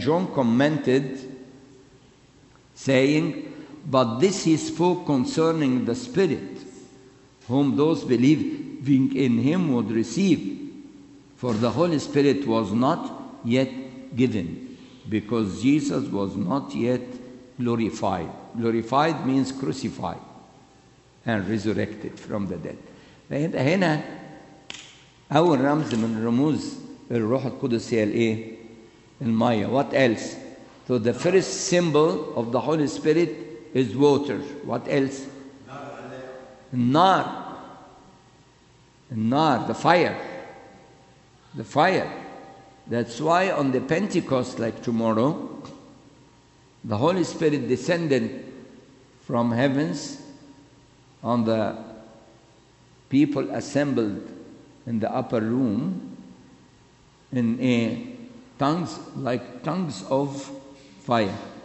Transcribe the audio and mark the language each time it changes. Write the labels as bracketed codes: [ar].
[en] John commented, saying, "But this he spoke concerning the Spirit, whom those believing in him would receive, for the Holy Spirit was not yet given, because Jesus was not yet glorified." Glorified means crucified and resurrected from the dead. [ar] فهنا هنا أول رمز من رموز الروح القدس هي الإيه؟ المية. [en] What else? So the first symbol of the Holy Spirit is water. What else? [ar] النار. النار, [en] the fire. The fire. That's why on the Pentecost, like tomorrow, the Holy Spirit descended from heavens on the people assembled in the upper room in a tongues, like tongues of fire.